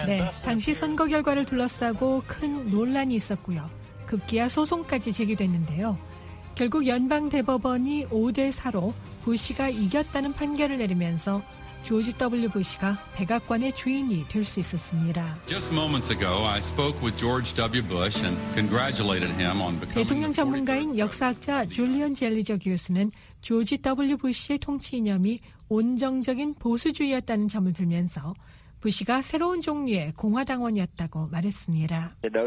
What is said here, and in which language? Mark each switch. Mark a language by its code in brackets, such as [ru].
[ko] 네, 당시 선거 결과를 둘러싸고 큰 논란이 있었고요. 급기야 소송까지 제기됐는데요. 결국 연방 대법원이 5-4로 부시가 이겼다는 판결을 내리면서 조지 W. 부시가 백악관의 주인이 될 수 있었습니다. [en] Just moments ago, I spoke with George W. Bush and congratulated him on becoming. [ko] 대통령 전문가인 역사학자 줄리언 젤리저 교수는 조지 W. 부시의 통치 이념이 온정적인 보수주의였다는 점을 들면서 부시가 새로운 종류의 공화당원이었다고 말했습니다.